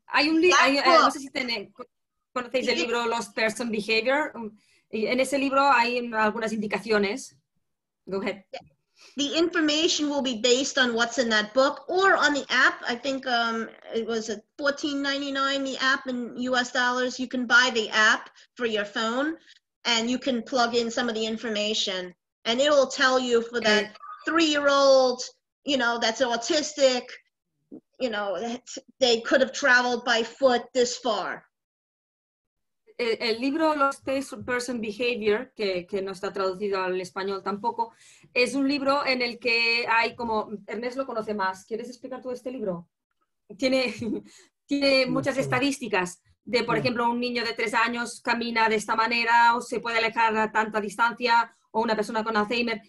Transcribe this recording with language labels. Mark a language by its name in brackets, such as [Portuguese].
[Spanish] No sé si conocéis el libro Lost Person Behavior. En ese libro hay algunas indicaciones. [English] Go ahead. The information will be based on what's in that book or on the app. I think it was $14.99, the app in US dollars. You can buy the app for your phone and you can plug in some of the information and it'll tell you for that three-year-old, you know, that's autistic, you know, that they could have traveled by foot this far. [Spanish] El libro Lost Person Behavior, que no está traducido al español tampoco, es un libro en el que hay como... Ernest lo conoce más. ¿Quieres explicar tú este libro? Tiene muchas estadísticas de, por ejemplo, un niño de 3 años camina de esta manera o se puede alejar a tanta distancia o una persona con Alzheimer.